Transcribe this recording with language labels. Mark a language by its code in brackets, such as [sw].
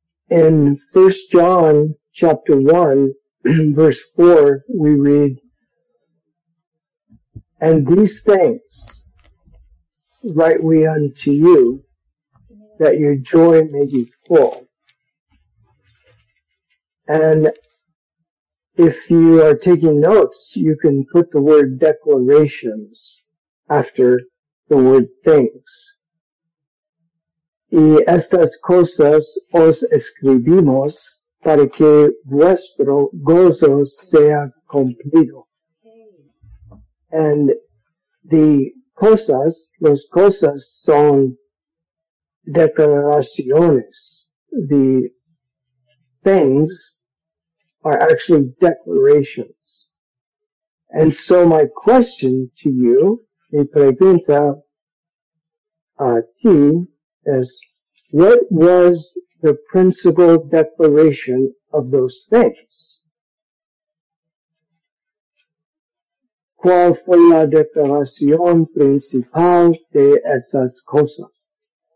[en] In 1 John chapter 1, verse 4, we read, "And these things write we unto you, that your joy may be full." And if you are taking notes, you can put the word declarations after the word things. [es] Y estas cosas os escribimos para que vuestro gozo sea cumplido. [en] And the [es] cosas, los cosas son declaraciones. [en] The things are actually declarations. And so my question to you, [es] mi pregunta a ti, [en] is what was the principal declaration of those things? [es] ¿Cuál fue la declaración principal de esas cosas?